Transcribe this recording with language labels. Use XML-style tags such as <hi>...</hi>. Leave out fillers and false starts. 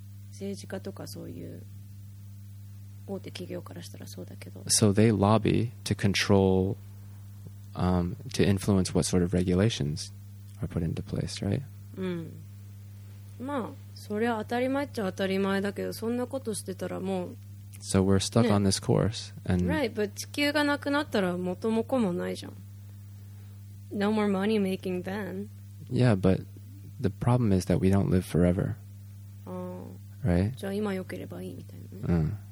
<ja>政治家とかそういう大手企業からしたらそうだけど。</ja> <en>So they lobby to control, to influence what sort of regulations are put into place, right?</en> <ja>うん。まあ、それは当たり前っちゃ当たり前だけど、そんなことしてたらもう。</ja> <en>So we're stuck on this course. And right, but</en> <ja>地球がなくなったら元も子もないじゃん。</ja> <en>No more money making then. Yeah, but the problem is that we don't live forever. Right?</en> <ja>じゃあ今良ければいいみたいなね。</ja>